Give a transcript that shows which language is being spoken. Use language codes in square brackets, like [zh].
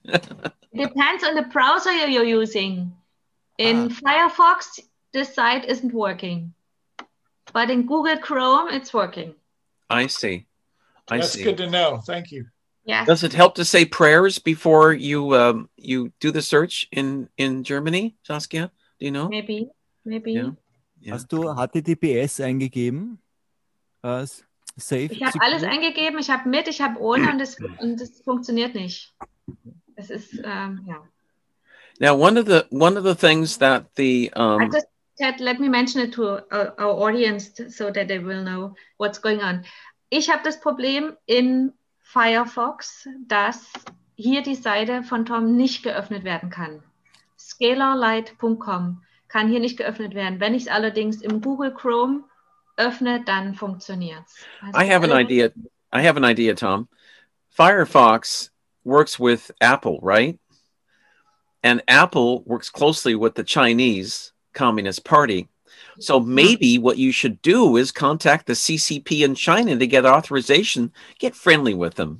[en] It depends on the browser you're using. In Firefox, this site isn't working. But in Google Chrome, it's working. I see. That's good to know. Thank you. Yes. Does it help to say prayers before you you do the search in Germany, Saskia? Do you know? Maybe. Yeah. [de] Yeah. Hast du HTTPS eingegeben? [en] Safe. [de] Ich habe alles eingegeben. Ich habe mit, ich habe ohne und das funktioniert nicht. Es ist [en] Now one of the things that the let me mention it to our audience so that they will know what's going on. [de] Ich habe das Problem in Firefox, dass hier die Seite von Tom nicht geöffnet werden kann. Scalarlight.com kann hier nicht geöffnet werden. Wenn ich es allerdings im Google Chrome öffne, dann funktioniert es. [en] I have an idea, Tom. Firefox works with Apple, right? And Apple works closely with the Chinese Communist Party. So maybe what you should do is contact the CCP in China to get authorization, get friendly with them.